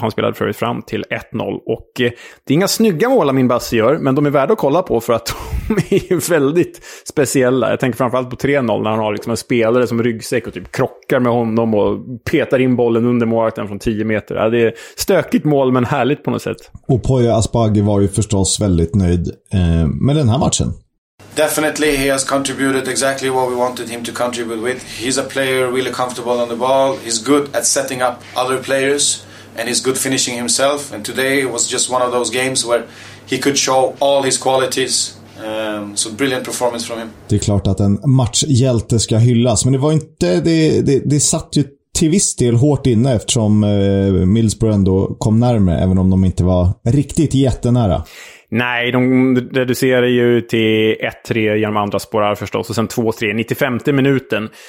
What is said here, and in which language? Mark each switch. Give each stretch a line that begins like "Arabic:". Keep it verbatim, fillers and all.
Swedish: Han spelade förut fram till ett noll. Och det är inga snygga mål Amine Bassi gör, men de är värda att kolla på för att de är väldigt speciella. Jag tänker framförallt på tre noll när han har liksom en spelare som ryggsäck och typ krockar med honom och petar in bollen under målvakten från tio meter. Ja, det är stökigt mål men härligt på något sätt. Och Poya Asbaghi var ju förstås väldigt nöjd eh, med den här matchen.
English: Definitely he has contributed exactly what we wanted him to contribute with. He's a player really comfortable on the ball. He's good at setting up other players and he's good finishing himself. And today was just one of those games where he could show all his qualities. Um, so brilliant performance from him.
Swedish: Det är klart att en matchhjälte ska hyllas, men det var inte det, det, det satt ju till viss del hårt inne eftersom eh, Middlesbrough ändå kom närmare även om de inte var riktigt jättenära. Nej, de reducerar ju till ett tre genom andra spårar förstås och sen två tre i nittiofemte minuten.